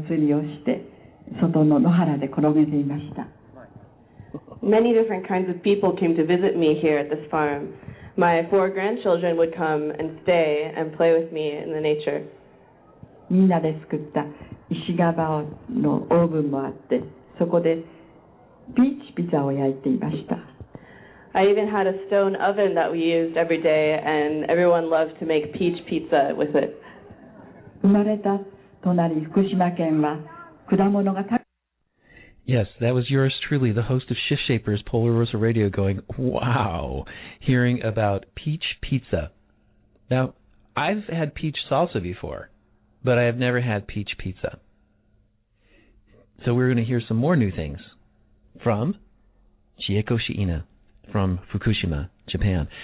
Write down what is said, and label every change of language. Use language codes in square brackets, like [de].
[ja] たくさんの人が訪れていました。私の孫、4人の孫も時々来て魚釣りをして、外の野原で転げていました。 [en] Many different kinds of people came to visit me here at this farm. My four grandchildren would come and stay and play with me in the nature. [ja] みんなで作った石窯のオーブンもあって、そこでピーチピザを焼いていました。 [en] I even had a stone oven that we used every day, and everyone loved to make peach pizza with it. [ja] 生まれた隣福島県は果物がたくさん。 [en] Yes, that was yours truly, the host of Shift Shapers, Polar Rosa Radio, going, wow, hearing about peach pizza. Now, I've had peach salsa before, but I have never had peach pizza. So we're going to hear some more new things from Chieko Shiina from Fukushima, Japan.